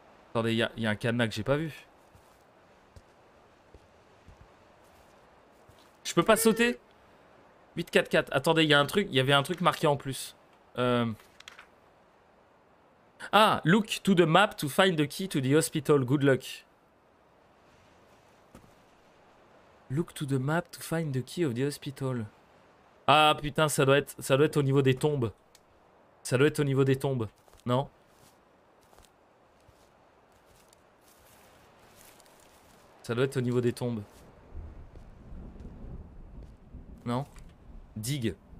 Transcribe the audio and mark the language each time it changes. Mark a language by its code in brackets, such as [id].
[fr] Attendez, y a un cadenas que j'ai pas vu. Je peux pas sauter? 844. Attendez, y avait un truc marqué en plus. [en] Ah, look to the map to find the key to the hospital. Good luck. Look to the map to find the key of the hospital. [fr] Ah putain, ça doit être au niveau des tombes. Ça doit être au niveau des tombes, non? Ça doit être au niveau des tombes. Non? Dig.